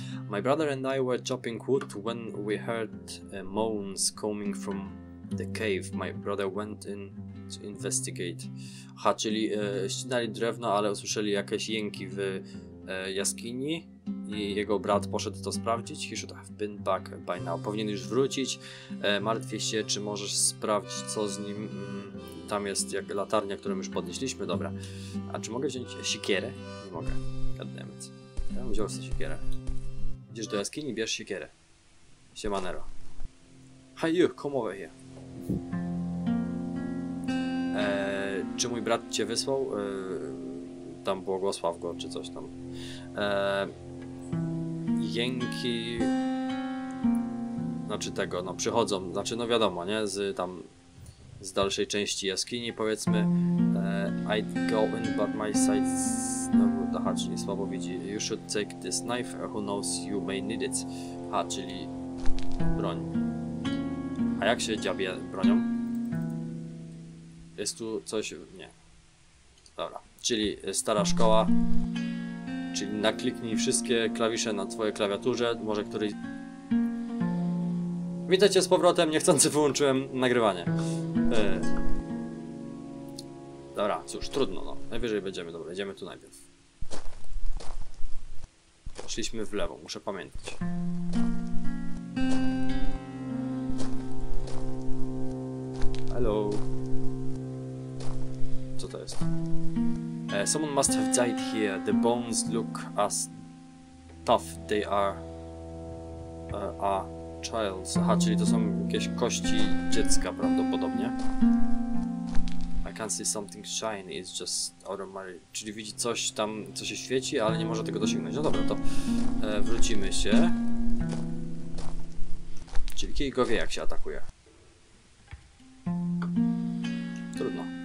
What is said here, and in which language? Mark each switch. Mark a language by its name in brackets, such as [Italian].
[English] My brother and I were chopping wood when we heard moans coming from the cave. My brother went in to investigate. [Polish] Aha, czyli ścinali drewno, ale usłyszeli jakieś jęki w jaskini i jego brat poszedł to sprawdzić. [English] He should have been back by now. [Polish] Powinien już wrócić. Martwię się, czy możesz sprawdzić, co z nim. Tam jest jak latarnia, którą już podnieśliśmy. Dobra. A czy mogę wziąć siekierę? Nie mogę. [English] Goddammit. [Polish] Ja bym wziął sobie siekierę. Idziesz do jaskini, bierz siekierę. Siemanero. [English] Hi you, come over here. [Polish] Czy mój brat cię wysłał? Tam błogosław go, czy coś tam. Jęki... Znaczy tego, no przychodzą, znaczy no wiadomo, nie? Z tam... Z dalszej części jaskini, powiedzmy. [English] I'd go in, but my sight's... [Polish] Znowu, aha, czyli słabo widzi. [English] You should take this knife, or who knows, you may need it. [Polish] Aha, czyli... Broń. A jak się dziabie bronią? Jest tu coś... nie. Dobra. Czyli stara szkoła. Czyli nakliknij wszystkie klawisze na twojej klawiaturze. Może któryś... Witajcie z powrotem, niechcący wyłączyłem nagrywanie. Dobra, cóż, trudno no. Najwyżej będziemy, dobra, idziemy tu najpierw. Poszliśmy w lewo, muszę pamiętać. [English] Hello. [Polish] Co to jest? [English] Someone must have died here. The bones look as tough they are a child's. [Polish] Aha, czyli to są jakieś kości dziecka prawdopodobnie. [English] I can see something shiny, it's just automatic. [Polish] Czyli widzi coś tam, co się świeci, ale nie może tego dosięgnąć. No dobra, to wrócimy się. Czyli kij go wie, jak się atakuje. Trudno.